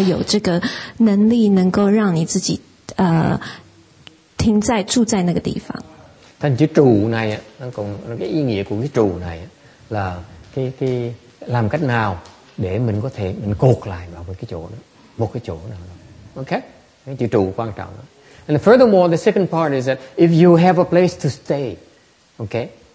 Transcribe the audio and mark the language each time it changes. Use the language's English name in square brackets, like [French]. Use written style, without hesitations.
[Chinese] 住的意思包含着说你要有这个能力能够让你自己 停在住在那个地方。但这住呢，那个意义 [Vietnamese] của cái [Chinese] 住呢， 是 [Vietnamese] làm cách nào để mình có thể mình cột lại vào một cái chỗ nào đó. [Chinese] Okay? 这住关照。 [English] And furthermore, the second part is that if you have a place to stay, okay?